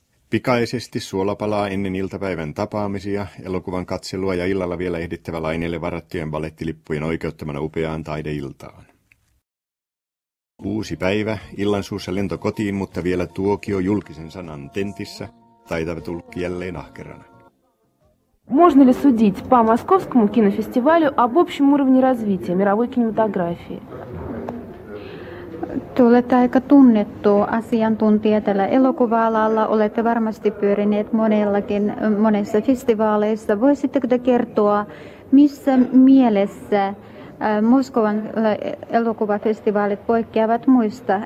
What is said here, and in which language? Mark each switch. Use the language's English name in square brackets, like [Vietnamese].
[Finnish] Pikaisesti suolapalaa ennen iltapäivän tapaamisia, elokuvan katselua ja illalla vielä ehdittävä Laineelle varattujen balettilippujen oikeuttamana upeaan taideiltaan. 6 päivä, illan suussa lento kotiin, mutta vielä tuokio julkisen sanan tentissä, taitava tulkki jälleen ahkerana. [Russian] Можно ли судить по московскому кинофестивалю об общем уровне развития мировой кинематографии? [Finnish] Olette aika tunnettu asiantuntija tällä elokuva-alalla. Olette varmasti pyörineet monellakin monessa festivaaleissa. Voisitteko te kertoa, missä mielessä Moskovan elokuvafestivaalit poikkeavat muista?